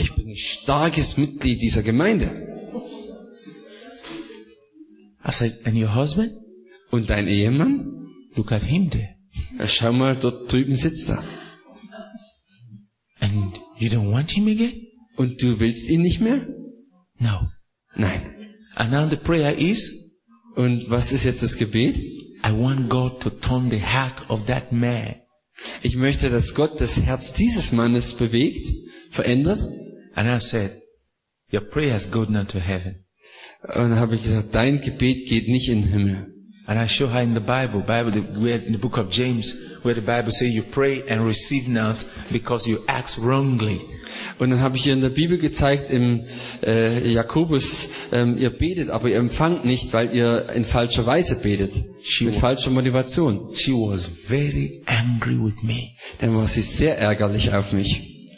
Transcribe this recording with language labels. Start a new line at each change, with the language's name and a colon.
German: Ich bin ein starkes Mitglied dieser Gemeinde.
English: I said, and your husband?
German: Und dein Ehemann?
English: Look at him there.
German: Schau mal, dort drüben sitzt er.
English: And you don't want him again?
German: Und du willst ihn nicht mehr?
English: No.
German: Nein.
English: And now the prayer is?
German: Und was ist jetzt das Gebet?
English: I want God to turn the heart of that man.
German: Ich möchte, dass Gott das Herz dieses Mannes bewegt, verändert.
English: And I said, your prayers go not to heaven.
German: Und dann habe ich gesagt, dein Gebet geht nicht in den Himmel.
English: And I show her in the Bible, in the book of James, where the Bible says you pray and receive not because you ask wrongly.
German: Und dann habe ich ihr in der Bibel gezeigt, im Jakobus, ihr betet, aber ihr empfangt nicht, weil ihr in falscher Weise betet, mit falscher Motivation.
English: She was very angry with me.
German: Dann war sie sehr ärgerlich auf mich.